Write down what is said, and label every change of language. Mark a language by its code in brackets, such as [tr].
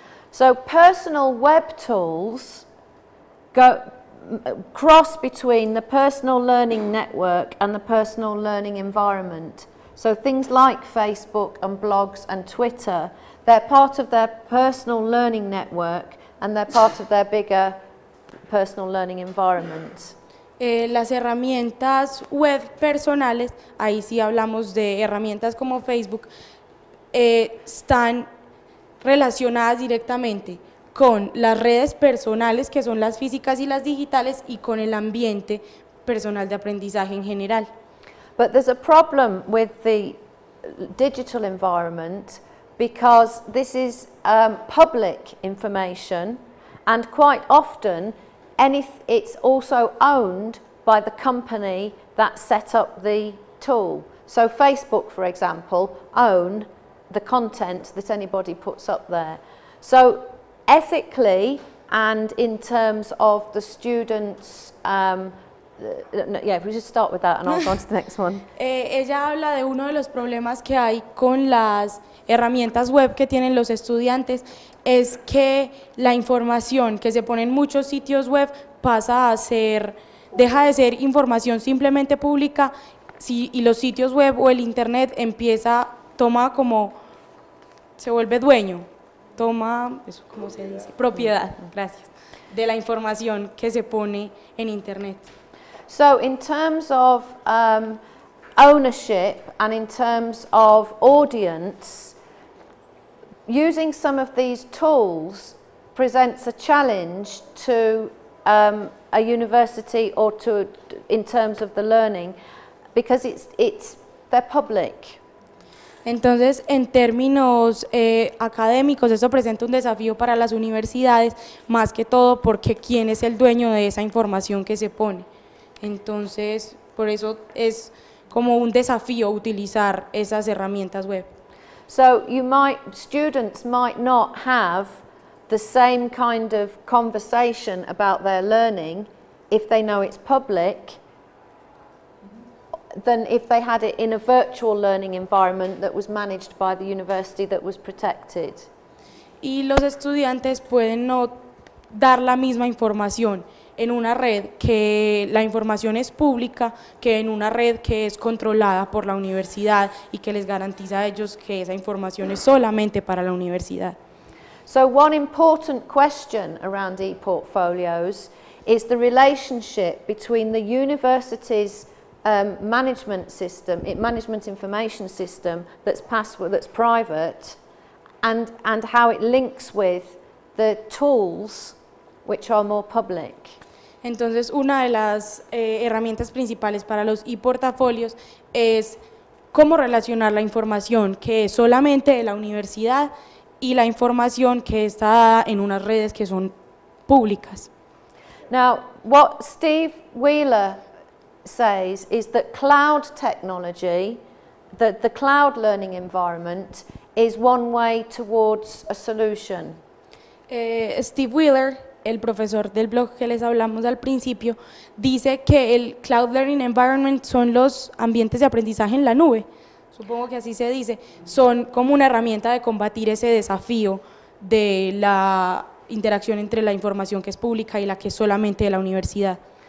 [en] So personal web tools go cross between the personal learning network and the personal learning environment. So things like Facebook and blogs and Twitter, they're part of their personal learning network and they're part of their bigger personal learning environment. [es] Las herramientas web personales, ahí sí hablamos de herramientas como Facebook, están relacionadas directamente con las redes personales, que son las físicas y las digitales, y con el ambiente personal de aprendizaje en general. [en] But there's a problem with the digital environment because this is public information, and quite often it's also owned by the company that set up the tool. So Facebook, for example, own the content that anybody puts up there. So ethically and in terms of the students, [es] ella habla de uno de los problemas que hay con las herramientas web que tienen los estudiantes, es que la información que se pone en muchos sitios web pasa a ser, deja de ser información simplemente pública, si, y los sitios web o el internet empieza, toma como, se vuelve dueño, toma, eso, ¿cómo se dice? Propiedad, gracias, de la información que se pone en internet. [en] So in terms of ownership and in terms of audience, using some of these tools presents a challenge to a university or to in terms of the learning, because it's they're public. [es] Entonces, en términos académicos, eso presenta un desafío para las universidades, más que todo porque quién es el dueño de esa información que se pone. Entonces, por eso es como un desafío utilizar esas herramientas web. [en] So you might, students might not have the same kind of conversation about their learning if they know it's public than if they had it in a virtual learning environment that was managed by the university that was protected. [es] Y los estudiantes pueden no dar la misma información en una red que la información es pública que en una red que es controlada por la universidad y que les garantiza a ellos que esa información es solamente para la universidad. [en] So one important question around e-portfolios is the relationship between the university's management system, management information system that's private, and how it links with the tools which are more public. [es] Entonces, una de las herramientas principales para los e-portafolios es cómo relacionar la información que es solamente de la universidad y la información que está dada en unas redes que son públicas. [en] Now, what Steve Wheeler says is that cloud technology, that the cloud learning environment, is one way towards a solution. [es] Steve Wheeler, el profesor del blog que les hablamos al principio, dice que el [en] cloud learning environment [es] son los ambientes de aprendizaje en la nube, supongo que así se dice, son como una herramienta de combatir ese desafío de la interacción entre la información que es pública y la que es solamente de la universidad.